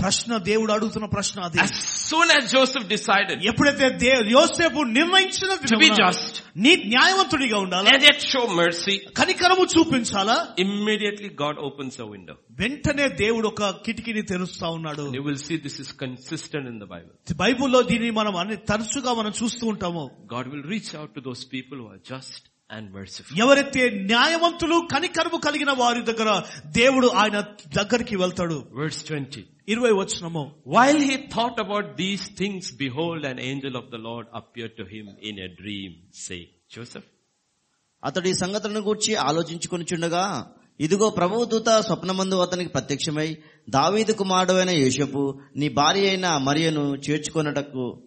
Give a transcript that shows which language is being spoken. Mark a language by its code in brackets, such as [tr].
[te] ప్రశ్న దేవుడు అడుగుతున్న ప్రశ్న అది. [en] As soon as Joseph decided. [te] ఎప్పుడైతే యోసేపు నిర్ణయించిన [en] to be just. [te] నీ న్యాయవంతుడిగా ఉండాలి. [en] And yet show mercy. [te] కనికరము చూపించాలా. [en] Immediately God opens a window. [te] వెంటనే దేవుడు ఒక కిటికీని తెరుస్తా ఉన్నాడు. [en] You will see this is consistent in the Bible. [te] బైబిల్లో దీనిని మనం అన్ని తరచుగా మనం చూస్తూ ఉంటాము. [en] God will reach out to those people who are just. And merciful. [te] ఎవరైతే న్యాయవంతులు కనికరము కలిగిన వారి దగ్గర దేవుడు ఆయన దగ్గరికి వెళ్తాడు. [en] Verse 20. [te] 20 వచనము. [en] While he thought about these things, behold, an angel of the Lord appeared to him in a dream, saying, Joseph. [te] అతడు ఈ సంగతులను గూర్చి ఆలోచించుకుని చుండగా ఇదిగో ప్రభువు దూత స్వప్నమందు అతనికి ప్రత్యక్షమై దావీదు కుమారుడైన యోసేపు నీ భార్య అయిన మరియను చేర్చుకొనటకు